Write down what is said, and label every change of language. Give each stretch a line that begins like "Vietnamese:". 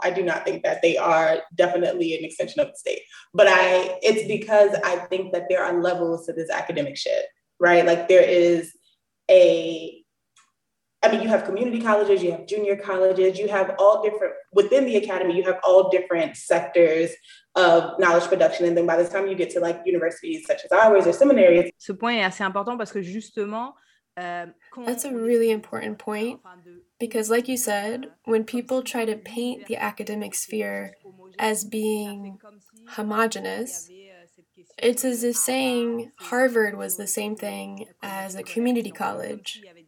English: I do not think that they are definitely an extension of the state, but it's because I think that there are levels to this academic shit, right? Like there is you have community colleges, you have junior colleges, you have all different, within the academy, you have all different sectors of knowledge production. And then by the time you get to like universities such as ours or seminaries.
French: Ce point est assez important parce que justement.
English: That's a really important point. Because like you said, when people try to paint the academic sphere as being homogenous, it's as if saying Harvard was the same thing as a community college.